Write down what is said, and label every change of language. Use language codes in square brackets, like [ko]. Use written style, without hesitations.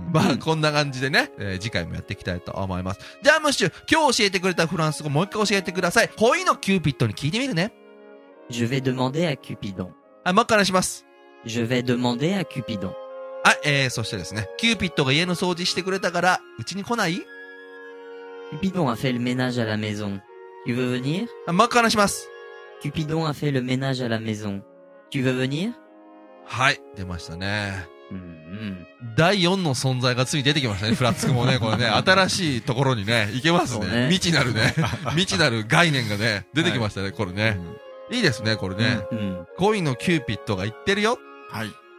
[ja] まあ、こんな感じでね、次回もやっていきたいと思います。じゃあ、ムッシュ、今日教えてくれたフランス語もう一回教えてください。恋のキューピットに聞いてみるね。 [fr] Je vais demander à Cupidon。 [ja] はい、もう一回話します。 [fr] Je vais demander à Cupidon。 [ja] はい、そしてですね、キューピットが家の掃除してくれたから、うちに来ない？ [fr] Cupidon a fait le ménage à la maison. Tu veux venir? [ja] もう一回話します。 [fr] Cupidon a fait le ménage à la maison. Tu veux venir? [ja] はい、出ましたね。うんうん、第4の存在がついに出てきましたね、フラッツクもね。これね、新しいところにね、行けます ね。未知なるね、未知なる概念がね、出てきましたね、はい、これね、うん。いいですね、これね、うんうん。恋のキューピッドが言ってるよ。はい。